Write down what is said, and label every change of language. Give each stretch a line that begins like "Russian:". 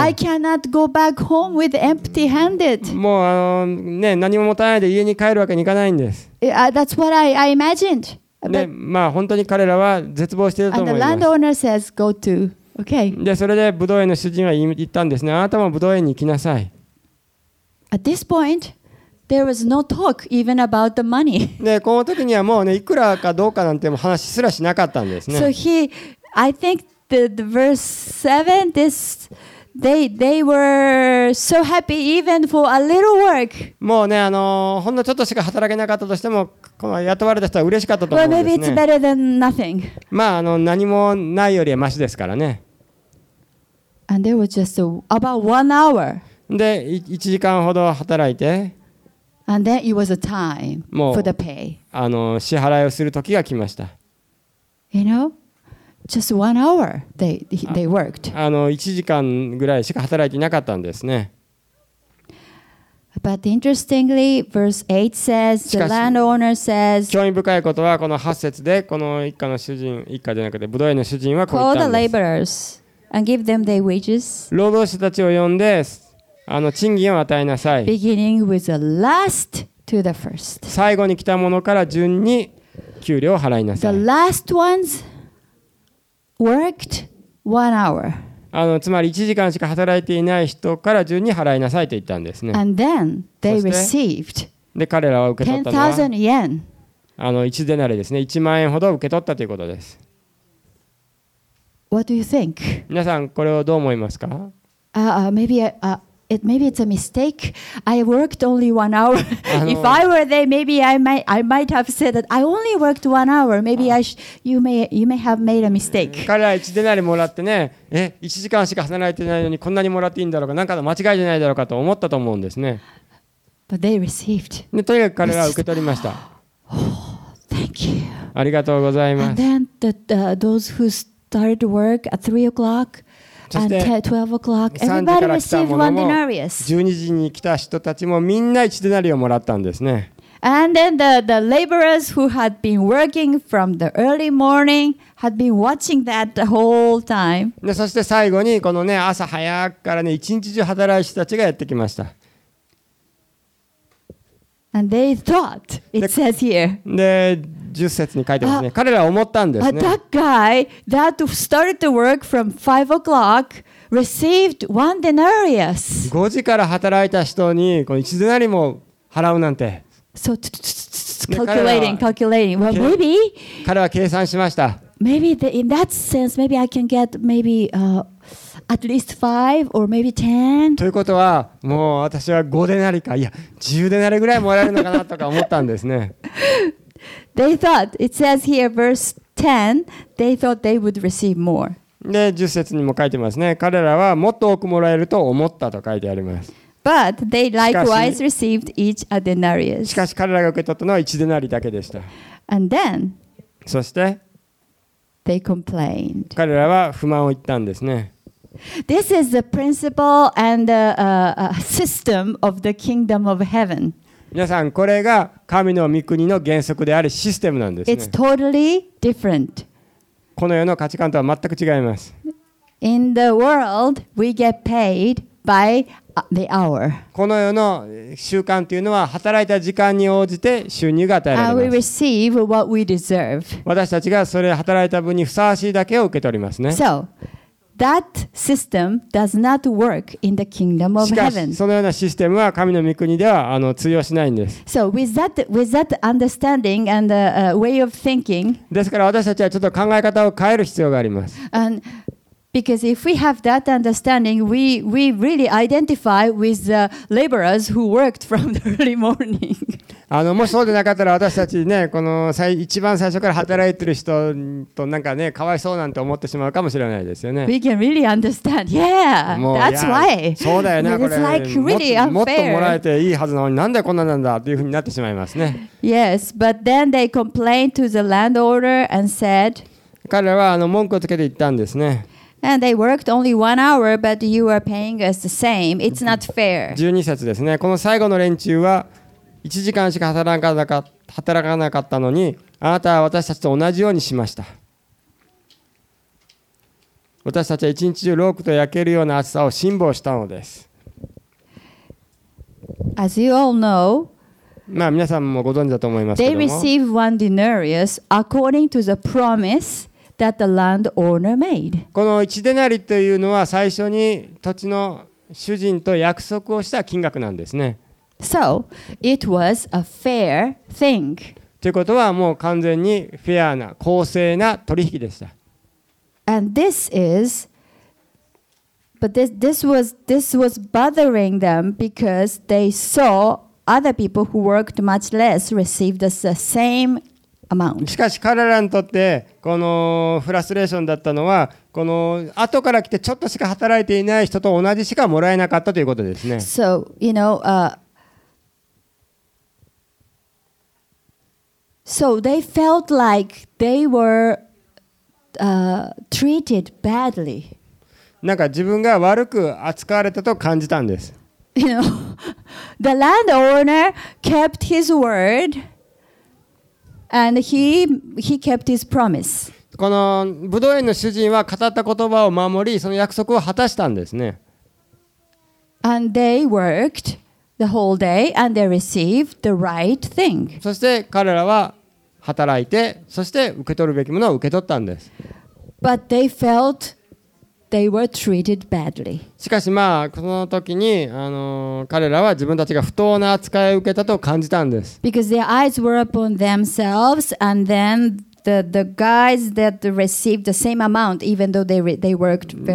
English: I cannot go back home with empty handed.
Japanese: もうね、何も持たないで家に帰るわけにいかないんです。
English: That's what I imagined.
Japanese: ね、まあ本当に彼らは絶望していると思います。
English: And the landowner says, "Go to." Okay.
Japanese: で、それでブドウ園の主人は言ったんですね。あなたもブドウ園に行きなさい。
English: At this point, there was no talk even about the money.
Japanese: で、この時にはもうね、いくらかどうかなんて話すらしなかったんですね。
English: So he, I think the verse 7, this, they were so happy even for a little work.
Japanese: もうね、ほんのちょっとしか働けなかったとしても、この雇われた人は嬉しかったと思うんですね。
English: Well, maybe it's better than nothing.
Japanese: まあ、何もないよりはマシですからね。
English: And there was just about 1 hour.
Japanese: で1時間ほど働いて、
English: And then it was a time for the pay.
Japanese: 支払いをする時が来ました。
English: You know, just 1 hour they worked.
Japanese: 1時間ぐらいしか働いていなかったんですね。
English: But interestingly, verse 8 says the landowner says.
Japanese: 興味深いことはこの8節でこの一家の主人、一家じゃなくてブドウ園の主人はこう言ったんです。
English: Call the laborers and give them their wages.
Japanese: 労働者たちを呼んで。賃金を与えなさい。
English: Beginning with the last to the first.
Japanese: 最後に来たものから順に給料を払いなさい。
English: The last ones worked 1 hour.
Japanese: つまり1時間しか働いていない人から順に払いなさいと言ったんですね。
English: And then they received.
Japanese: で彼らは受け取ったのは
English: 10,000 yen.
Japanese: 1デナリですね。 1万円ほど受け取ったということです。
English: What do you think?
Japanese: 皆さんこれをどう思いますか？
English: Maybe it's a mistake. I worked only 1 hour. If I were there, maybe I might have said that I only worked 1 hour. Maybe you may have made a mistake.
Japanese: 彼ら1デナリもらってね、1時間しか働いてないのにこんなにもらっていいんだろうか、なんかの間違いじゃないだろうかと思ったと思うんですね。
English: But they received.
Japanese: で、とにかく彼らは受け取りました。
English: Thank you.
Japanese: ありがとうございます。
English: And then those who started work at 3 o'clock.
Japanese: 12時に来た人たちもみんな1デナリをもらったんですね。
English: And then the laborers who had been working from the early morning had been watching that the whole time.
Japanese: で、そして最後にこのね、朝早くからね、一日中働いた人たちがやってきました。
English: And they thought, it says here.
Japanese: で、10節に書いてますね。彼らは思ったんですね。
English: That guy that started to work from 5 o'clock received 1 denarius.
Japanese: 5時から働いた人にこの1デナリも払うなんて。
English: So, calculating. Well, maybe.
Japanese: 彼は計算しました。
English: Maybe in that sense, maybe I can get maybe at least 5 or maybe 10.
Japanese: ということは、もう私は5デナリか、いや、10デナリぐらいもらえるのかなとか思ったんですね。
English: They thought, it says here, verse 10, they thought they would receive more.
Japanese: で、10節にも書いてますね。彼らはもっと多くもらえると思ったと書いてあります。
English: But they likewise received each a denarius.
Japanese: しかし彼らが受け取ったのは1デナリだけでした。
English: And then,
Japanese: そして、
English: they complained.
Japanese: 彼らは不満を言ったんですね。
English: This is the principle and the system of the kingdom of heaven.
Japanese: 皆さん、これが神の御国の原則であるシステムなんですね。
English: It's totally different.
Japanese: この世の価値観とは全く違います。
English: In the world, we get paid by the hour.
Japanese: この世の習慣というのは働いた時間に応じて収入が与えられます。
English: We receive what we deserve.
Japanese: 私たちがそれ働いた分にふさわしいだけを受け取りますね。
English: So that system does not work in the kingdom of heaven.
Japanese: しかしそのようなシステムは神の御国では通用しないんです。
English: So with that understanding and the way of thinking.
Japanese: ですから私たちはちょっと考え方を変える必要があります。
English: And because if we have that understanding, we really identify with the laborers who worked from the early morning.
Japanese: もしそうでなかったら私たちね、この一番最初から働いてる人となんかね、かわいそうなんて思ってしまうかもしれないですよね。
English: We can really understand. Yeah, that's why.
Japanese: そうだよね、これ。
English: It's like really unfair.
Japanese: もっともらえていいはずなのに、なんでこんななんだというふうになってしまいますね。
English: Yes, but then they complained to the landowner and said,
Japanese: 彼らは文句をつけて言ったんですね。
English: And they worked only one hour, but you are paying us the same. It's not fair.
Japanese: 12節ですね。この最後の連中は1時間しか働かなかったのに、あなたは私たちと同じようにしました。私たちは1日中ロークと焼けるような暑さを辛抱したのです。
English: As you all know,
Japanese: まあ皆さんもご存知だと思いますけども、
English: they receive one denarius according to the promise. That the landowner made.
Japanese: この1デナリというのは最初に土地の主人と約束をした金額なんですね。
English: So, it was a fair thing.
Japanese: ということはもう完全にフェアな公正な取引でした。
English: And this is, but this was bothering them because they saw other people who worked much less received the same.
Japanese: しかし彼らにとってこのフラストレーションだったのはこの後から来てちょっとしか働いていない人と同じしかもらえなかったということですね。
English: So, you know, so they felt like they were treated badly.
Japanese: なんか自分が悪く扱われたと感じたんです。
English: You know, the landowner kept his word. And he kept his promise.
Japanese: このブドウ園の主人は語った言葉を守り、その約束を果たしたんですね。
English: And they worked the whole day and they received the right thing.
Japanese: そして彼らは働いて、そして受け取るべきものを受け取ったんです。
English: But they felt they were treated badly.
Japanese: しかしまあこの時に彼らは自分たちが不当な扱いを受けたと感じたんです。
English: Because their eyes were upon themselves, and then the guys that received the same amount, even though they worked very well.